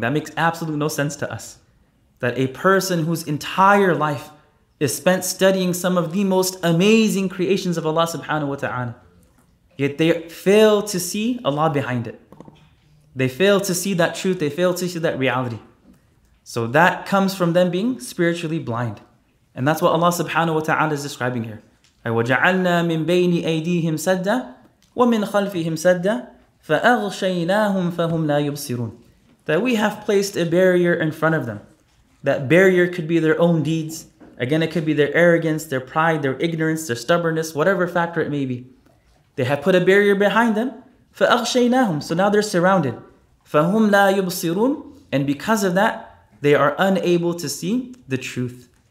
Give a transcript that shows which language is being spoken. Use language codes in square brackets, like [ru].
[en] That makes absolutely no sense to us. That a person whose entire life is spent studying some of the most amazing creations of Allah subhanahu wa ta'ala, yet they fail to see Allah behind it. They fail to see that truth. They fail to see that reality. So that comes from them being spiritually blind. And that's what Allah subhanahu wa ta'ala is describing here. [ar] وَجَعَلْنَا مِن بَيْنِ أَيْدِيهِمْ سَدَّ وَمِن خَلْفِهِمْ سَدَّ فَأَغْشَيْنَاهُمْ فَهُمْ لَا يُبْصِرُونَ [en] That we have placed a barrier in front of them. That barrier could be their own deeds. Again, it could be their arrogance, their pride, their ignorance, their stubbornness, whatever factor it may be. They have put a barrier behind them. فَأَغْشَيْنَاهُمْ So now they're surrounded. [ar] فَهُمْ لَا يُبْصِرُونَ [en] And because of that, they are unable to see the truth.